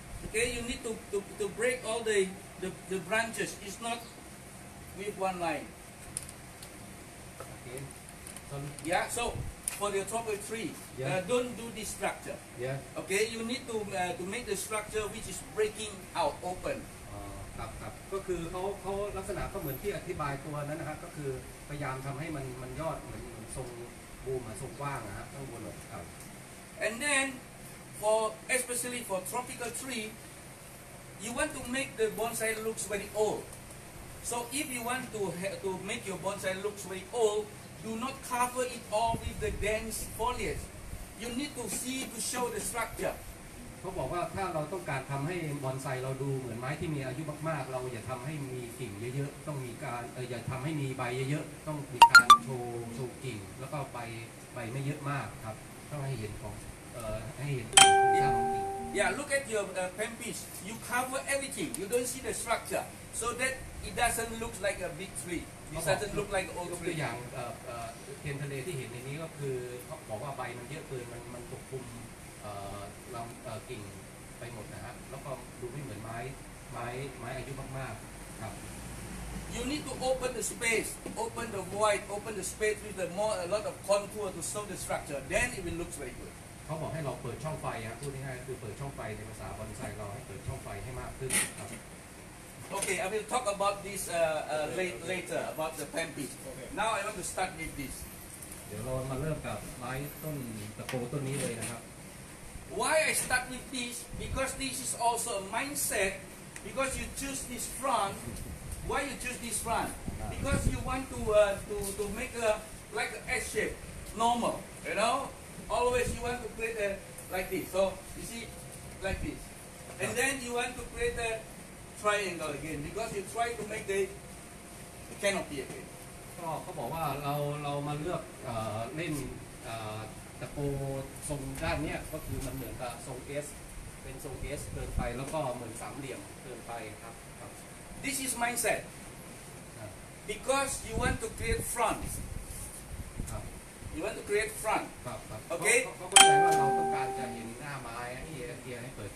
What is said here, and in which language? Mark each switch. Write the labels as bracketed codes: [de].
[en] Okay, you need to break all the branches. It's not with one line. Okay. Yeah. So. For your tropical tree, don't do this structure. Yeah. Okay, you need to make the structure which is breaking out open. [th] ครับครับก็คือเขาลักษณะก็เหมือนที่อธิบายตัวนั้นนะครับก็คือพยายามทำให้มันยอดเหมือนทรงบูมทรงกว้างนะครับข้างบนครับ [en] And then especially for tropical tree, you want to make the bonsai looks very old. So if you want to make your bonsai looks very old. Do not cover it all with the dense foliage. You need to see to show the structure. [th] เขาบอกว่าถ้าเราต้องการทำให้บอนไซเราดูเหมือนไม้ที่มีอายุมากๆเราอย่าทำให้มีกิ่งเยอะๆต้องมีการอย่าทำให้มีใบเยอะๆต้องมีการโชว์กิ่งแล้วก็ใบไม่เยอะมากครับต้องให้เห็นของให้เห็นของ กิ่ง [en] Yeah, look at your pampas. You cover everything. You don't see the structure, so that it doesn't look like a big tree. [th] มันจะดูเหมือนโอ๊ต ตัวอย่างเทียนทะเลที่เห็นในนี้ก็คือบอกว่าใบมันเยอะเกินมันปกคลุมลำกิ่งไปหมดนะฮะแล้วก็ดูไม่เหมือนไม้อายุมากๆครับ [en] You need to open the space open the void open the space with a lot of contour to show the structure then it will look very good [th] เขาบอกให้เราเปิดช่องไฟฮะพูดง่ายๆคือเปิดช่องไฟในภาษาบอนไซเราให้เปิดช่องไฟให้มากขึ้นครับ [en] Okay, I will talk about this later about the pampas. Okay. Now I want to start with this. [th] เดี๋ยวเรามาเริ่มกับไม้ต้นตะโกต้นนี้เลยนะครับ [en] Why I start with this? Because this is also a mindset. Because you choose this front. Why you choose this front? Because you want to make a like an S shape, normal. You know, always you want to create a like this. So you see, like this. And then you want to create a triangle again because you try to make the canopy again. [th] ก็บอกว่าเรามาเลือกเล่นตะปูทรงด้านเนี้ยก็คือมันเหมือนกับทรง S เป็นทรง S เกินไปแล้วก็เหมือนสามเหลี่ยมเกินไปครับ [en] This is mindset because you want to create front you want to create front okay [th] ก็แปลว่าเราต้องการจะเห็นหน้าไม้ให้เปิด